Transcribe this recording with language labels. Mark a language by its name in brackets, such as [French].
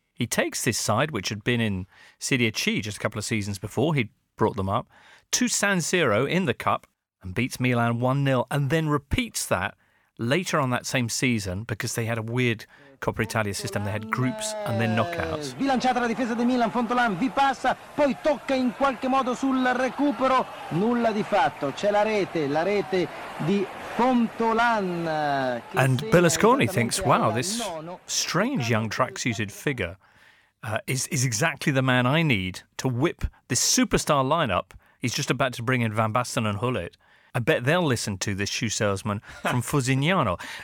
[English] he takes this side, which had been in Serie C just a couple of seasons before, he'd brought them up, to San Siro in the cup and beats Milan 1-0 and then repeats that later on that same season, because they had a weird Coppa Italia system, they had groups and then knockouts. [Italian] Bilanciata la difesa di Milan, Fontolan vi passa, poi tocca in qualche modo sul recupero, nulla di fatto, c'è la rete di Fontolan. [English] And Berlusconi thinks, wow, this strange young track-suited figure is exactly the man I need to whip this superstar lineup. He's just about to bring in Van Basten and Hullet. I bet they'll listen to this shoe salesman from Fusignano.